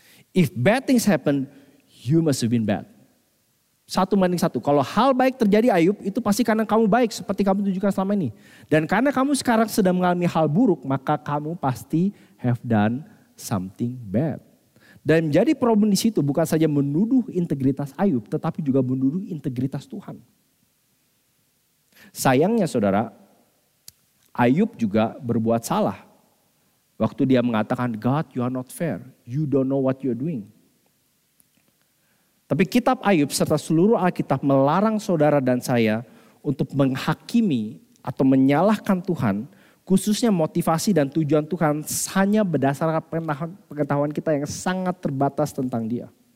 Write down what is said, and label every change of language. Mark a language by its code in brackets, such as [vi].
[en] If bad things happen, you must have been bad. [id] Satu banding satu. Kalau hal baik terjadi Ayub, itu pasti karena kamu baik seperti kamu tunjukkan selama ini. Dan karena kamu sekarang sedang mengalami hal buruk, maka kamu pasti [en] have done something bad. [id] Dan menjadi problem di situ bukan saja menuduh integritas Ayub, tetapi juga menuduh integritas Tuhan. Sayangnya saudara, Ayub juga berbuat salah. Waktu dia mengatakan, [en] God you are not fair, you don't know what you are doing. [id] Tapi kitab Ayub serta seluruh Alkitab melarang saudara dan saya untuk menghakimi atau menyalahkan Tuhan, khususnya motivasi dan tujuan Tuhan hanya berdasarkan pengetahuan kita yang sangat terbatas tentang dia.